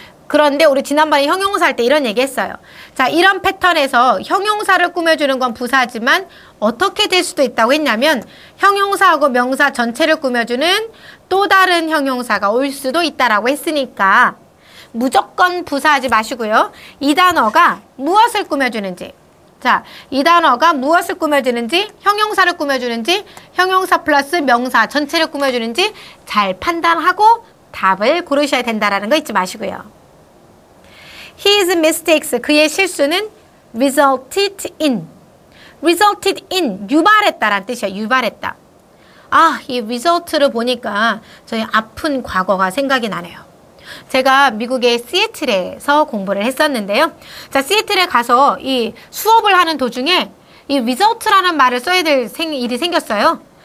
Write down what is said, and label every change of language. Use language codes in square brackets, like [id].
[ko] 그런데 우리 지난번에 형용사 할 때 이런 얘기 했어요. 자, 이런 패턴에서 형용사를 꾸며주는 건 부사지만 어떻게 될 수도 있다고 했냐면 형용사하고 명사 전체를 꾸며주는 또 다른 형용사가 올 수도 있다라고 했으니까 무조건 부사하지 마시고요. 이 단어가 무엇을 꾸며주는지 자, 이 단어가 무엇을 꾸며주는지 형용사를 꾸며주는지 형용사 플러스 명사 전체를 꾸며주는지 잘 판단하고 답을 고르셔야 된다라는 거 잊지 마시고요. [en] His mistakes, [ko] 그의 실수는 [en] resulted in. resulted in, [ko] 유발했다라는 뜻이야. 유발했다. 아, 이 result를 보니까 저의 아픈 과거가 생각이 나네요. 제가 미국의 시애틀에서 공부를 했었는데요. 자, 시애틀에 가서 이 수업을 하는 도중에 이 result라는 말을 써야 될 일이 생겼어요.